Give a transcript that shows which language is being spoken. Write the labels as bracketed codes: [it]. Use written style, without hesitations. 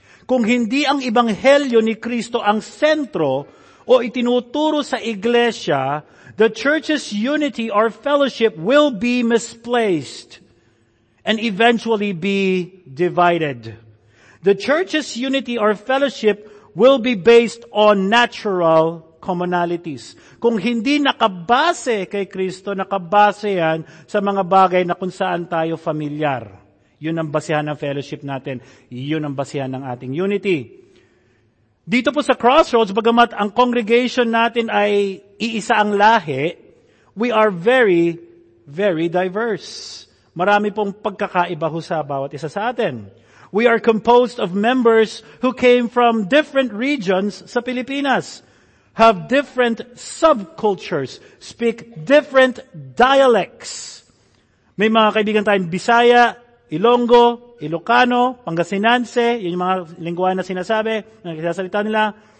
[tl] Kung hindi ang ebanghelyo ni Kristo ang sentro o itinuturo sa iglesia, [en] the church's unity or fellowship will be misplaced and eventually be divided. The church's unity or fellowship will be based on natural commonalities. [tl] Kung hindi nakabase kay Kristo, nakabase yan sa mga bagay na kung saan tayo familiar. Yun ang basihan ng fellowship natin. Yun ang basihan ng ating unity. Dito po sa Crossroads, bagamat ang congregation natin ay iisa ang lahi, [en] we are very, very diverse. [tl] Marami pong pagkakaiba ho sa bawat isa sa atin. [en] We are composed of members who came from different regions sa Pilipinas, have different subcultures, speak different dialects. [tl] May mga kaibigan tayong Bisaya, Ilonggo, Ilocano, Pangasinanse, yun yung mga lingwahe na sinasabi, na kinasalita nila.